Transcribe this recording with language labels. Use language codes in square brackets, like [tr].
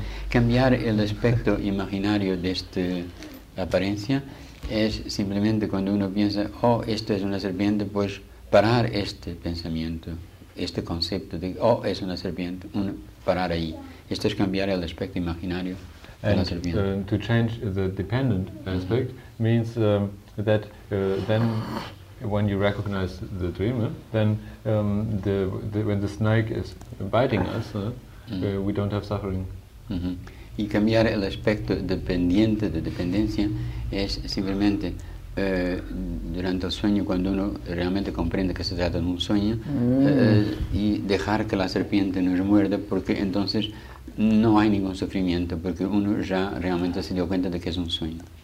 [es] Cambiar el aspecto imaginario de esta apariencia es simplemente cuando uno piensa, oh, esto es una serpiente, pues parar este pensamiento, este concepto de, oh, es una serpiente, parar ahí. Esto es cambiar el aspecto imaginario de la serpiente. [en] And to change the dependent aspect means that then when you recognize the dream, then when the snake is biting us, we don't have suffering. [es] Mm-hmm. Y cambiar el aspecto dependiente de dependencia es simplemente durante el sueño, cuando uno realmente comprende que se trata de un sueño, y dejar que la serpiente nos muerda, porque entonces no hay ningún sufrimiento, porque uno ya realmente se dio cuenta de que es un sueño.